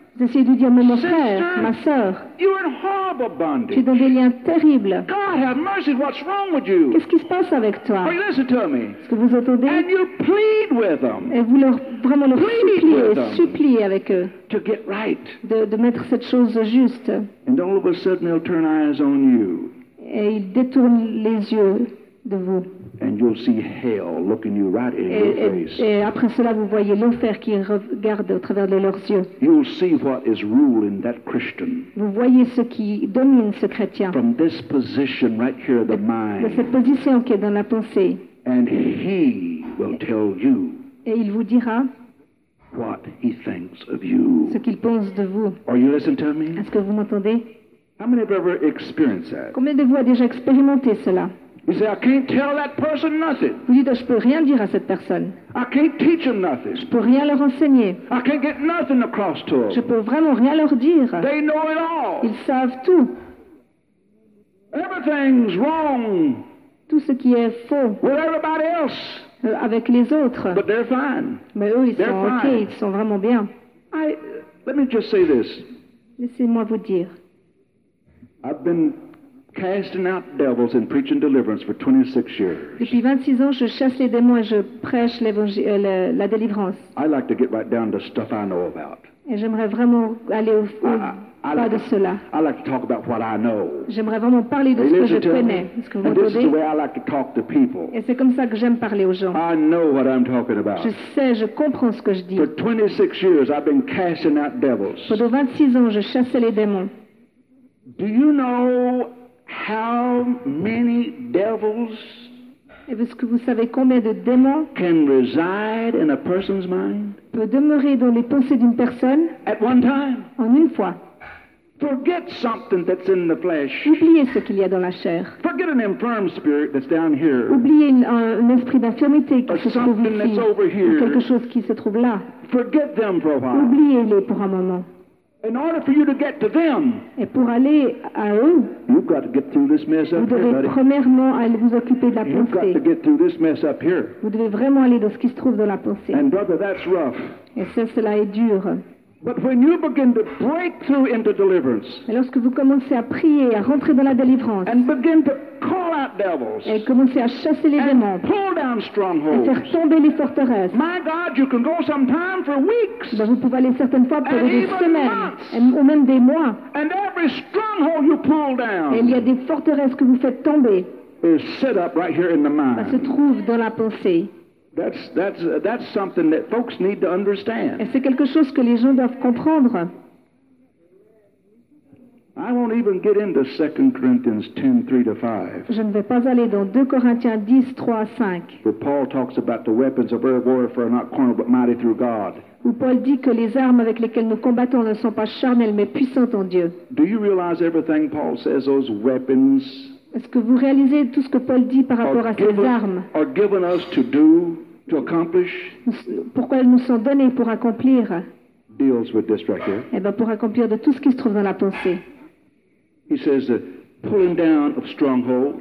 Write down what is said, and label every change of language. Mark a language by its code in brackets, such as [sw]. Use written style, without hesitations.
[fr] Vous essayez de lui dire, mais mon frère, [en] sister, [fr] ma sœur, [en] you're in horrible bondage. [fr] Tu es dans des liens terribles. [en] God have mercy, what's wrong with you? [fr] Qu'est-ce qui se passe avec toi? [en] Are you listening to me? [fr] Est-ce que vous entendez? [en] And you plead with them. [fr] Et vous leur vraiment le supplier, supplier avec eux. [en] To get right. [fr] De mettre cette chose juste. [en] And all of a sudden they'll turn eyes on you. [fr] Et ils détournent les yeux de vous. [en] And you'll see hell looking you right in your face. [fr] Et après cela, vous voyez l'enfer qui regarde au travers de leurs yeux. [en] You'll see what is ruling that Christian. [fr] Vous voyez ce qui domine ce chrétien. [en] From this position right here, the mind. [fr] De cette position qui est dans la pensée. [en] And he will tell you. [fr] Et il vous dira. [en] What he thinks of you. [fr] Ce qu'il pense de vous. [en] Are you listening to me? [fr] Est-ce que vous m'entendez? [en] How many have ever experienced that? [fr] Combien de vous a déjà expérimenté cela? [en] You say, I can't tell that person nothing. [fr] Vous dites, je peux rien dire à cette personne. [en] I can't teach them nothing. [fr] Je peux rien leur enseigner. [en] I can't get nothing across to them. [fr] Je peux vraiment rien leur dire. [en] They know it all. [fr] Ils savent tout. [en] Everything's wrong. [fr] Tout ce qui est faux. [en] With everybody else. [fr] Avec les autres. [en] But they're fine. [fr] Mais eux, ils [en] they're [fr] sont fine. OK, ils sont vraiment bien. [en] Let me just say this. [fr] Laissez-moi vous dire. [en] I've been casting out devils and preaching deliverance for 26 years. [fr] Depuis 26 ans, je chasse les démons et je prêche la délivrance. [en] I like to get right down to stuff I know about. [fr] Et j'aimerais vraiment aller au fond de cela. [en] I like to talk about what I know. [fr] J'aimerais vraiment parler de ce que je connais. [en] And this is the way I like to talk to people. [fr] Et c'est comme ça que j'aime parler aux gens. [en] I know what I'm talking about. [fr] Je sais, je comprends ce que je dis. [en] For 26 years, I've been casting out devils. [fr] Pendant 26 ans, je chassais les démons. [en] Do you know how many devils? [fr] Est-ce que vous savez combien de démons [en] can reside in a person's mind? [fr] Peut demeurer dans les pensées d'une personne [en] at one time. [fr] En une fois. [en] Forget something that's in the flesh. [fr] Oubliez ce qu'il y a dans la chair. [en] Forget an infirm spirit that's down here. [fr] Oubliez un esprit d'infirmité qui se trouve ici. [en] That's over here. [fr] Ou quelque chose qui se trouve là. [en] Forget them for a while. [fr] Oubliez-les pour un moment. [en] In order for you to get to them, [fr] et pour aller à eux, [en] you've got to get through this mess up here, buddy. [fr] Vous devez premièrement aller vous occuper de la pensée. [en] You've got to get through this mess up here. [fr] Vous devez vraiment aller dans ce qui se trouve dans la pensée. [en] And brother, that's rough. [fr] Et ça, cela est dur. [en] But when you begin to break through into deliverance, [fr] et lorsque vous commencez à prier, à rentrer dans la délivrance, [en] and begin to call out devils, [fr] et commencer à chasser les démons, [en] and pull down strongholds, [fr] et faire tomber les forteresses, [en] my God, you can go sometime for weeks, [fr] ben vous pouvez aller certaines fois pour des semaines, [en] months, [fr] ou même des mois, [en] and every stronghold you pull down, [fr] et il y a des forteresses que vous faites tomber, [en] is set up right here in the mind. [fr] Ben se trouve dans la pensée. [en] That's something that folks need to understand. [fr] Et c'est quelque chose que les gens doivent comprendre. [en] I won't even get into 2 Corinthians 10:3 to 5. [fr] Je ne vais pas aller dans 2 Corinthiens 10, 3 à 5. [en] Where Paul talks about the weapons of our warfare are not carnal but mighty through God. [fr] Où Paul dit que les armes avec lesquelles nous combattons ne sont pas charnelles mais puissantes en Dieu. [en] Do you realize everything Paul says those weapons? [fr] Est-ce que vous réalisez tout ce que Paul dit par rapport à ces armes? [en] Are given us to do, to accomplish? [fr] Pourquoi elles nous sont données pour accomplir? [en] Deals with this right here. [fr] Eh bien, pour accomplir de tout ce qui se trouve dans la pensée. [en] He says the pulling down of strongholds.